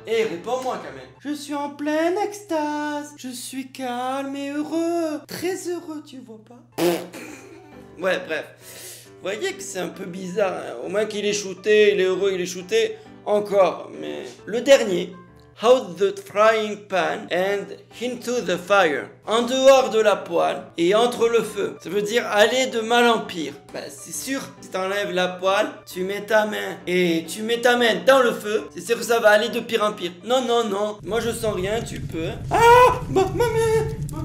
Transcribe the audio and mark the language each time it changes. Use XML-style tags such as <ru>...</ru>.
<fr>Hey, réponds-moi quand même. Je suis en pleine extase. Je suis calme et heureux. Très heureux, tu vois pas? Ouais, bref. Vous voyez que c'est un peu bizarre. Hein. Au moins qu'il est shooté, il est heureux, il est shooté. Encore, mais. Le dernier.</fr> <en>out the frying pan and into the fire.</en> <fr>En dehors de la poêle et entre le feu. Ça veut dire aller de mal en pire. Bah, c'est sûr, si t'enlèves la poêle, tu mets ta main et tu mets ta main dans le feu, c'est sûr que ça va aller de pire en pire. Non, non, non. Moi, je sens rien, tu peux. Ah, ma main.</fr>